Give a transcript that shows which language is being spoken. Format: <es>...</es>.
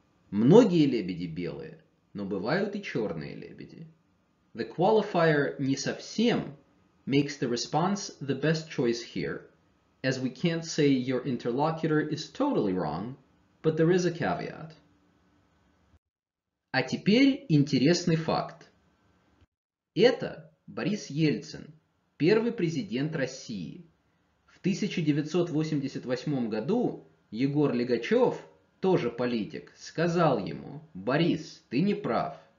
<ru>Многие лебеди белые, но бывают и черные лебеди.</ru> <en>The qualifier</en> <ru>не совсем</ru> <en>makes the response the best choice here, as we can't say your interlocutor is totally wrong, but there is a caveat.</en> <ru>А теперь интересный факт. Это Борис Ельцин, первый президент России. В 1988 году Егор Лигачев, тоже политик, сказал ему: «Борис, ты не прав».</ru>